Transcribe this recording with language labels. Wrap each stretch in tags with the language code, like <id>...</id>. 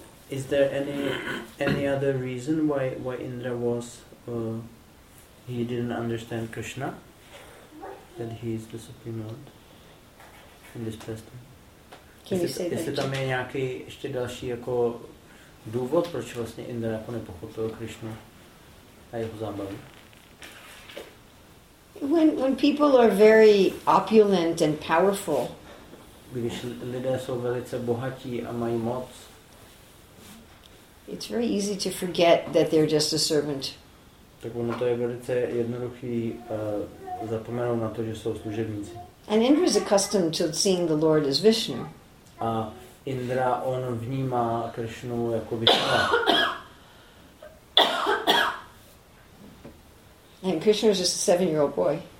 <en>Is there any other reason why Indra was he didn't understand Krishna, that he is the Supreme Lord in this pastime?</en> <cs>Jestli tam je nějaký ještě další jako důvod, proč vlastně Indra jako nepochopil Krishna a jeho zábavu?</cs> <en>When people are very opulent and powerful.</en> <cs>Když lidé jsou velice bohatí a mají moc.</cs> <en>It's very easy to forget that they're just a servant.</en> <cs>Tak ono to je velice jednoduchý zapomenout na to, že jsou služebníci.</cs> <en>And Indra is accustomed to seeing the Lord as Vishnu.</en> <cs>A Indra, on vnímá Krishnu jako Vishnu.</cs> <en>And Krishna is just a 7-year-old boy.</en>